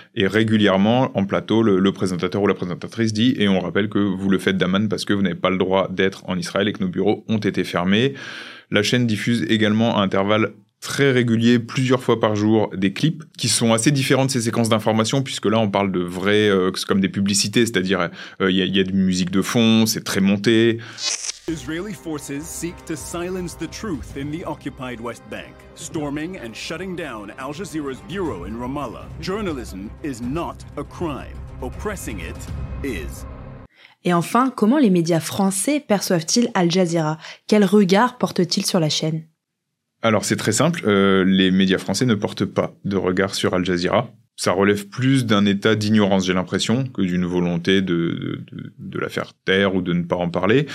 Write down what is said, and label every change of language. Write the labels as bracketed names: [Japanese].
[French] Et régulièrement, en plateau, le présentateur ou la présentatrice dit, et on rappelle que vous le faites d'Amman parce que vous n'avez pas le droit d'être en Israël et que nos bureaux ont été fermés. La chaîne diffuse également à intervalles très régulier, plusieurs fois par jour, des clips qui sont assez différents de ces séquences d'information, puisque là, on parle de vrais, c'est comme des publicités, c'est-à-dire y a de la musique de fond, c'est très monté. [English] Israeli forces seek to silence the truth in the occupied West Bank, storming and shutting down Al Jazeera's bureau in Ramallah. Journalism is not a crime. Oppressing it is. [French] Et enfin, comment les médias français perçoivent-ils Al Jazeera ? Quel regard portent-ils sur la chaîne ? Alors c'est très simple, les médias français ne portent pas de regard sur Al Jazeera. Ça relève plus d'un état d'ignorance, j'ai l'impression, que d'une volonté de la faire taire ou de ne pas en parler.